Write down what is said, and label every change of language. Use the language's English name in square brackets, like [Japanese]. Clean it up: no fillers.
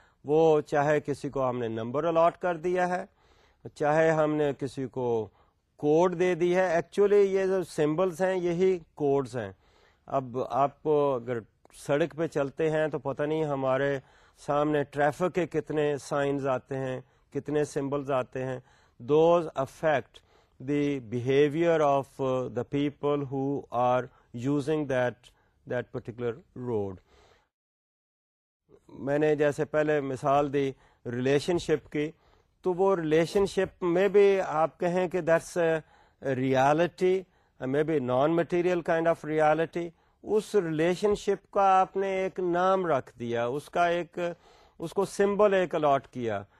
[Urdu] وہ چاہے کسی کو ہم نے number allot کر دیا ہے, چاہے ہم نے کسی کو کوڈ دے دی ہے. ایکچولی یہ جو سمبلس ہیں یہی کوڈز ہیں. اب آپ اگر سڑک پہ چلتے ہیں تو پتہ نہیں ہمارے سامنے ٹریفک کے کتنے سائنز آتے ہیں, کتنے سمبلز آتے ہیں. [English] Those affect the behaviour of the people who are using that particular road. [Urdu] میں نے جیسے پہلے مثال دی ریلیشن شپ کی, تو وہ ریلیشن شپ میں بھی آپ کہیں کہ [English] That's reality, maybe non material kind of reality. [Urdu] اس relation شپ کا آپ نے ایک نام رکھ دیا, اس کا ایک, اس کو سمبل ایک الاٹ کیا.